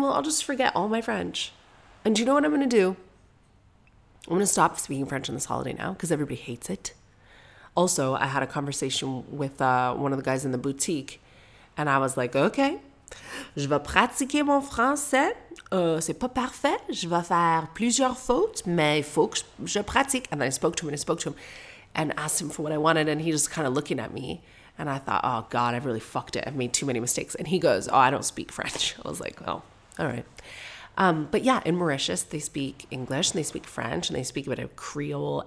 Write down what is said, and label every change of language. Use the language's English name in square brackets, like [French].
[English] Well, I'll just forget all my French. And do you know what I'm going to do? I'm going to stop speaking French on this holiday now because everybody hates it. Also, I had a conversation with one of the guys in the boutique and I was like, okay, [French] je vais pratiquer mon français. C'est pas parfait. Je vais faire plusieurs fautes, mais il faut que je pratique. [English] And then I spoke to him and I spoke to him and asked him for what I wanted and he just kind of looking at me and I thought, oh God, I've really fucked it. I've made too many mistakes. And he goes, oh, I don't speak French. I was like, well, all right. But yeah, in Mauritius, they speak English and they speak French and they speak a bit of Creole.